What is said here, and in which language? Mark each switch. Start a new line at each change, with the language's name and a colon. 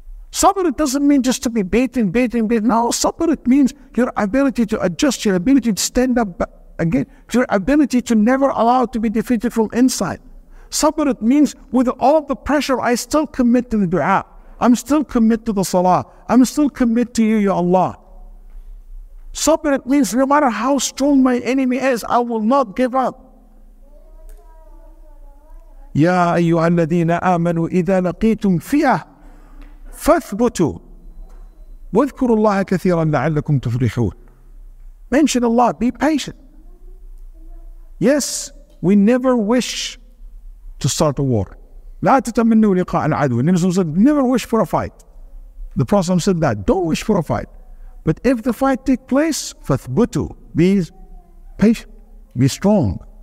English: Sabr, it doesn't mean just to be beating. No, sabr, it means your ability to adjust, your ability to stand up again, your ability to never allow to be defeated from inside. Sabr, it means with all the pressure, I still commit to the dua. I'm still commit to the salah. I'm still commit to you, Ya Allah. Sabr, it means no matter how strong my enemy is, I will not give up.
Arabic: يا أيها الذين آمنوا إذا لقيتم فئة فاثبتوا واذكروا الله كثيرا لعلكم تفرحون.
English: Mention Allah, be patient. Yes, we never wish to start a war.
Arabic: لا تتمنوا لقاء العدو.
English: Never wish for a fight. The Prophet said that. Don't wish for a fight. But if the fight takes place,
Arabic: فَثْبُتُوا,
English: be patient, be strong.